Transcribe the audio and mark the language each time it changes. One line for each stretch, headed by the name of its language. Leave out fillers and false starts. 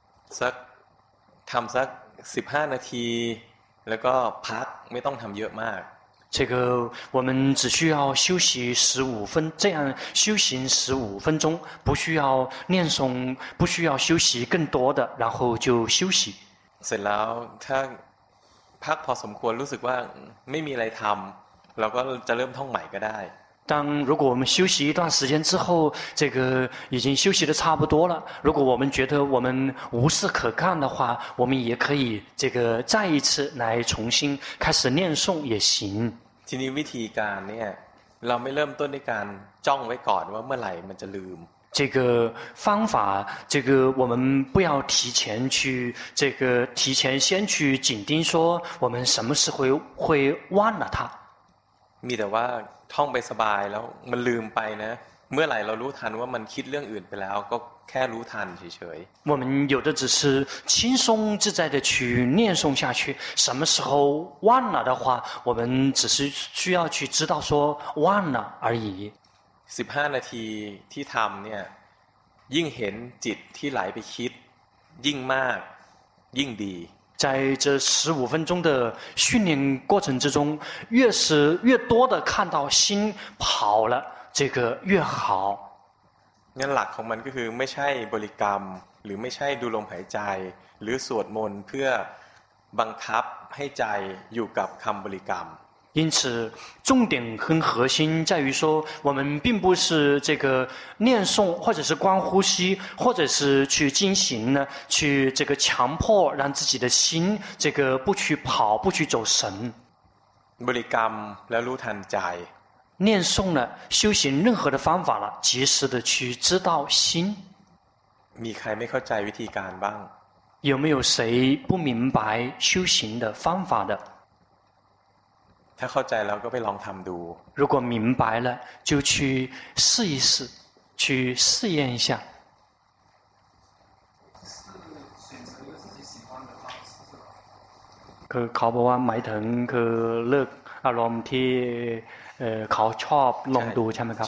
Thai: สักทำสัก15นาทีแล้วก็พักไม่ต้องทำเยอะมาก
Chinese: 这个我们只需要休息十五分这样修行十五分钟不需要念诵不需要休息更多的然后就休息
Thai: เสร็จแล้วถ้าพักพอสมควรรู้สึกว่าไม่มีอะไรทำเราก็จะเริ่มท่องใหม่ก็ได้
Chinese: 当如果我们休息一段时间之后这个已经休息的差不多了如果我们觉得我们无事可干的话我们也可以这个再一次来重新开始念诵也行今天
Thai: วิธีการเนี่ยเราไม่เริ่มต้นในการจ้องไว้ก่อนว่าเมื่อไหร่มันจะลืม
Chinese: 这个方法这个我们不要提前去这个提前先去紧盯说我们什么时候 会忘了它
Thai: มีแต่ว่าท่องไปสบายแล้วมันลืมไปนะเมื่อไหร่เรารู้ทันว่ามันคิดเรื่องอื่นไปแล้วก็ แค่รู้ทันเฉย
Chinese: ๆ我们有的只是轻松自在的去念诵下去什么时候忘了的话我们只是需要去知道说忘了而已
Thai: 15นาทีที่ทำเนี่ยยิ่งเห็นจิตที่ไหลไปคิดยิ่งมากยิ่งดี
Chinese: 在这15分钟的训练过程之中越是越多的看到心跑了这个越好
Thai: งั้นหลักของมันก็คือไม่ใช่บริกรรมหรือไม่ใช่ดูลมหายใจหรือสวดมนต์เพื่อบังคับให้ใจอยู่กับคำบริกรรม
Chinese: 因此重点和核心在于说我们并不是这个念诵或者是观呼吸或者是去进行呢去这个强迫让自己的心这个不去跑不去走神
Thai: บริกรรมแล้วรู้ทันใจ
Chinese: 念诵了修行任何的方法了及时的去知道心
Thai: มีใครไม่เข้าใจวิธีการบ้าง
Chinese: 有没有谁不明白修行的方法的
Thai: ถ้าเข้าใจแล้วก็ไปลองทำดู
Chinese: 如果明白了就去试一试去试验一下
Thai: คือเขาบอกว่าหมายถึงคือเลือกอารมณ์ที่เขาชอบลองดูใช่ไหมครับ